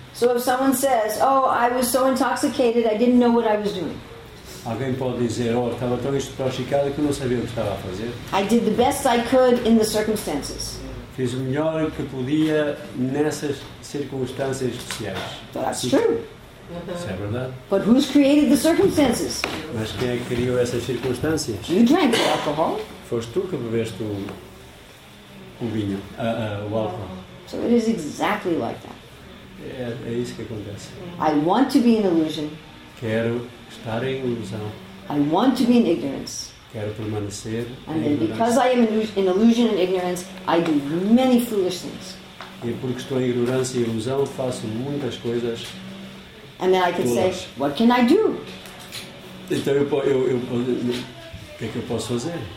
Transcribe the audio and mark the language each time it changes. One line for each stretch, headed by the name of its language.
English: So if someone says, "Oh, I was so intoxicated, I didn't know what I was doing."
Portuguese: Alguém pode dizer, "Oh, estava tão intoxicado que não sabia o que estava a fazer."
English: I did the best I could in the circumstances.
Portuguese: Fiz o melhor que podia nessas circunstâncias especiais.
English: That's true.
Portuguese: Isso é verdade.
English: But who's created the circumstances?
Portuguese: Mas quem é que criou essas circunstâncias?
English: You drank the alcohol.
Portuguese: Foste tu que bebeste o álcool.
English: So it is exactly like that.
Portuguese: É isso que acontece.
English: I want to be in illusion.
Portuguese: Quero estar em ilusão.
English: I want to be in ignorance.
Portuguese: Quero permanecer em ignorância.
English: And then because I am in illusion and ignorance, I do many foolish things.
Portuguese: E porque estou em ignorância e ilusão, faço muitas coisas.
English: And then I can say, what can I do?
Portuguese: Então, o que é que eu posso fazer?